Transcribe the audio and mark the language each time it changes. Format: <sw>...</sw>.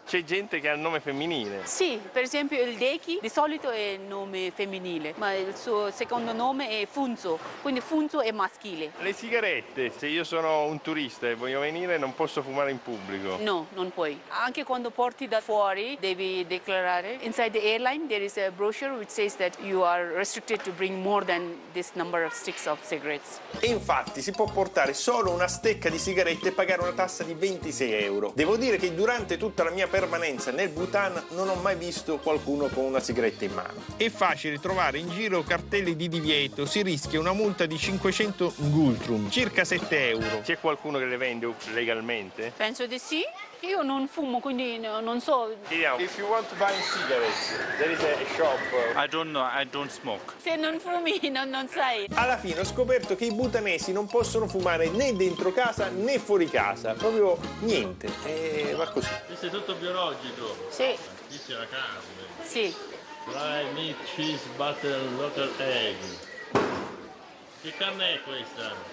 <it>C'è gente che ha il nome femminile. Sì, per esempio il Deki di solito è il nome femminile, ma il suo secondo nome è Funzo, quindi Funzo è maschile. Le sigarette, se io sono un turista e voglio venire non posso fumare in pubblico? No, non puoi. Anche quando porti da fuori devi declarare.</it> <en>Inside the airline there is a brochure which says that you are restricted to bring more than this number of sticks of cigarettes.</en> <it>E infatti si può portare solo una stecca di sigarette e pagare una tassa di 26 euro. Devo dire che durante tutta la mia permanenza nel Bhutan non ho mai visto qualcuno con una sigaretta in mano. È facile trovare in giro cartelli di divieto, si rischia una multa di 500 ngultrum, circa 7 euro. C'è qualcuno che le vende legalmente? Penso di sì. Io non fumo, quindi non so.</it> <en>If you want to buy cigarettes, there is a shop. I don't know, I don't smoke.</en> <it>Se non fumi, non sai. Alla fine ho scoperto che i bhutanesi non possono fumare né dentro casa né fuori casa. Proprio niente. E va così. Questo è tutto biologico. Sì. Qui c'è la carne. Sì.</it> <en>Fry meat, cheese, butter, local egg.</en> <it>Che carne è questa?</it>